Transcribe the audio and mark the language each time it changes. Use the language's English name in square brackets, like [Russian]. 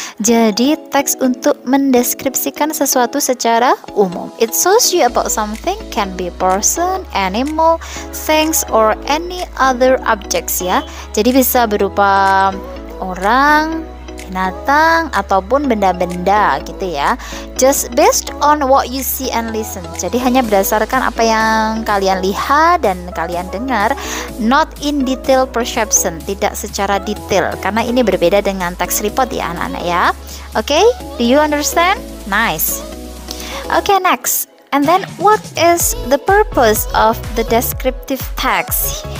[Indonesian] Jadi teks untuk mendeskripsikan sesuatu secara umum. [English] It shows you about something, can be person, animal, things, or any other objects ya. [Indonesian] Jadi bisa berupa orang, binatang ataupun benda-benda gitu ya. [English] Just based on what you see and listen. [Indonesian] Jadi hanya berdasarkan apa yang kalian lihat dan kalian dengar, [English] not in detail perception, [Indonesian] tidak secara detail, karena ini berbeda dengan text report ya anak-anak ya. [English] Okay, do you understand? Nice. Okay, next. And then what is the purpose of the descriptive text?